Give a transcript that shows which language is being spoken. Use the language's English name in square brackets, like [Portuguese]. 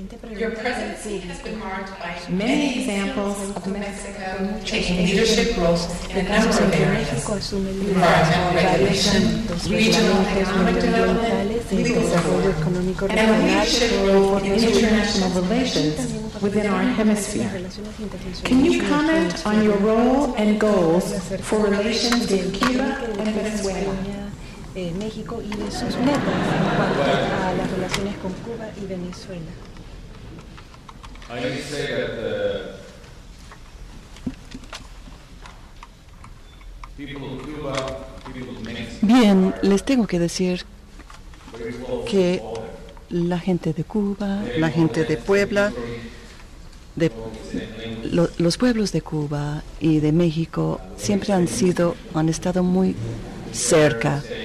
[English] Your presidency has been marked by many examples of Mexico taking leadership roles in a number of areas: environmental regulation, regional economic development, legal support, and a leadership role in international relations within our hemisphere. Can you comment on your role and goals for relations in Cuba and Venezuela? [Spanish] México y de sus metas en cuanto a las relaciones con Cuba y Venezuela. [English] I need to say that the people of Cuba, people of Mexico. [Spanish] Bien, les tengo que decir que la gente de Cuba, la gente de Puebla, de los pueblos de Cuba y de México siempre han estado muy cerca.